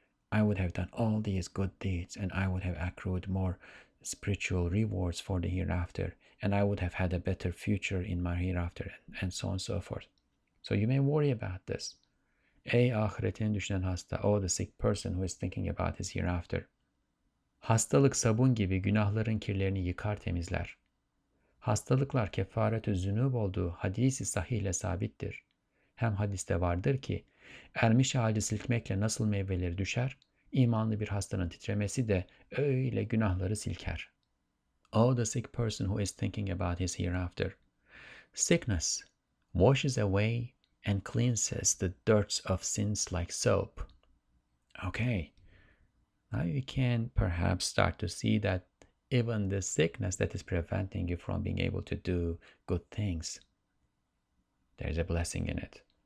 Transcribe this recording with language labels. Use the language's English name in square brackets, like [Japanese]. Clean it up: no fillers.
[English] I would have done all these good deeds, and I would have accrued more spiritual rewards for the hereafter, and I would have had a better future in my hereafter, and so on and so forth. So you may worry about this. [Turkish] Ey ahiretini düşünen hasta, [English] oh, the sick person who is thinking about his hereafter. [Turkish] Hastalık sabun gibi günahların kirlerini yıkar temizler. Hastalıklar kefaretü zünub olduğu hadisi sahihle sabittir. Hem hadiste vardır ki, ermiş ağacı silkmekle nasıl meyveleri düşer, imanlı bir hastanın titremesi de öyle günahları silker. [English] Oh, the sick person who is thinking about his hereafter. Sickness washes away and cleanses the dirt of sins like soap. Okay, now you can perhaps start to see that even the sickness that is preventing you from being able to do good things, there's a blessing in it.